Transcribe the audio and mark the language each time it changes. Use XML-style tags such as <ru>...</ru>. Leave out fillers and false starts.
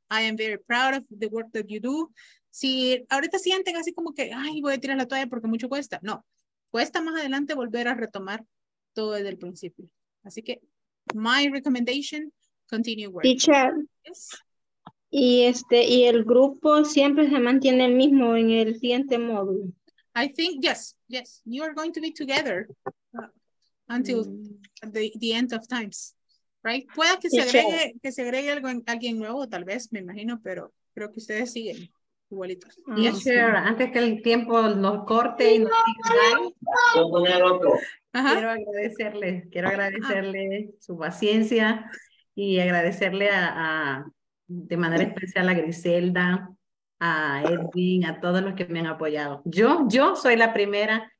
<en>I am very proud of the work that you do.</en> <es>Si ahorita sienten así como que, ay, voy a tirar la toalla porque mucho cuesta. No, cuesta más adelante volver a retomar todo desde el principio. Así que,</es> <en>my recommendation, continue working. Teacher. Yes.</en> <es>Y el grupo siempre se mantiene el mismo en el siguiente módulo.</es> <en>I think, yes, you are going to be together until the end of times, right?</en> <es>Pueda que se agregue alguien nuevo, tal vez, me imagino, pero creo que ustedes siguen igualitos.</es> <en>Yes, sir,</en> <es>antes que el tiempo nos corte y nos diga, quiero agradecerle su paciencia y agradecerle a de manera especial a Griselda, a Edwin, a todos los que me han apoyado. Yo soy la primera</es>